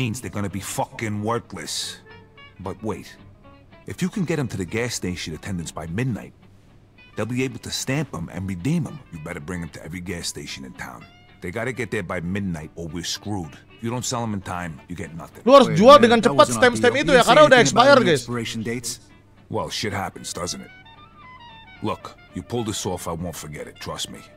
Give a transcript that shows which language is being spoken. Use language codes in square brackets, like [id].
[en] Means they're gonna be fucking worthless. But wait, if you can get them to the gas station attendants by midnight, they'll be able to stamp them and redeem them. You better bring them to every gas station in town. They gotta get there by midnight or we're screwed. If you don't sell them in time, you get nothing. [id] Lu harus jual dengan cepat stem-stem itu ya, karena udah expired guys. [en] Expiration dates? Well, shit happens, doesn't it? Look, you pull this off, I won't forget it, trust me.